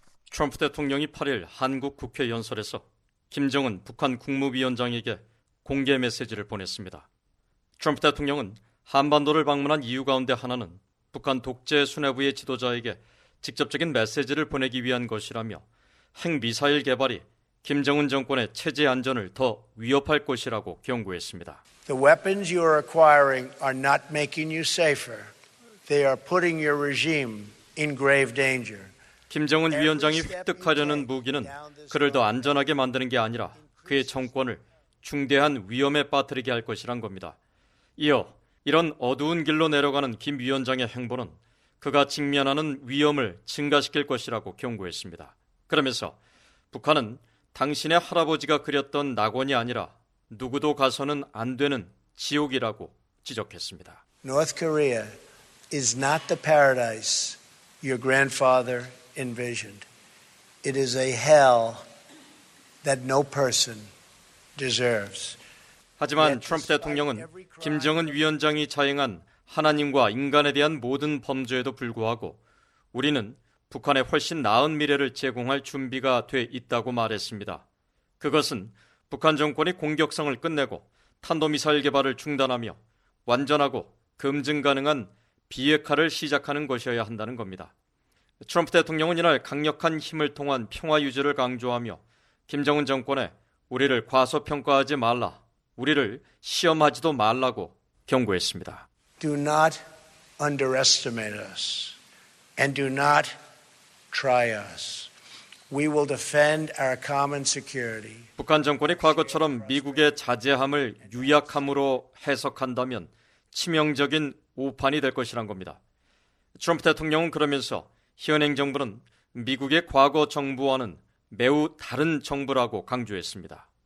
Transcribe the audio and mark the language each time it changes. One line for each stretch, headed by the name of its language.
Korean: 트럼프 대통령이 8일 한국 국회 연설에서 김정은 북한 국무위원장에게 공개 메시지를 보냈습니다. 트럼프 대통령은 한반도를 방문한 이유 가운데 하나는 북한 독재 수뇌부의 지도자에게 직접적인 메시지를 보내기 위한 것이라며 핵미사일 개발이 김정은 정권의 체제 안전을 더 위협할 것이라고 경고했습니다.
English: The weapons you are acquiring are not making you safer. They are putting your regime in grave danger.
Korean: 김정은 위원장이 획득하려는 무기는 그를 더 안전하게 만드는 게 아니라 그의 정권을 중대한 위험에 빠뜨리게 할 것이란 겁니다. 이어 이런 어두운 길로 내려가는 김 위원장의 행보는 그가 직면하는 위험을 증가시킬 것이라고 경고했습니다. 그러면서 북한은 당신의 할아버지가 그렸던 낙원이 아니라 누구도 가서는 안 되는 지옥이라고 지적했습니다.
English: North Korea is not the paradise your grandfather envisioned. It is a hell that no person deserves.
Korean: 하지만 트럼프 대통령은 김정은 위원장이 자행한 하나님과 인간에 대한 모든 범죄에도 불구하고 우리는 북한에 훨씬 나은 미래를 제공할 준비가 돼 있다고 말했습니다. 그것은 북한 정권이 공격성을 끝내고 탄도미사일 개발을 중단하며 완전하고 검증 가능한 비핵화를 시작하는 것이어야 한다는 겁니다. 트럼프 대통령은 이날 강력한 힘을 통한 평화 유지를 강조하며 김정은 정권에 우리를 과소평가하지 말라. 우리를 시험하지도 말라고 경고했습니다.
English: Do not underestimate us and do not try us. We will defend our common security.
Korean: 북한 정권이 과거처럼 미국의 자제함을 유약함으로 해석한다면 치명적인 오판이 될 것이란 겁니다. 트럼프 대통령은 그러면서 현행 정부는 미국의 과거 정부와는 매우 다른 정부라고 강조했습니다.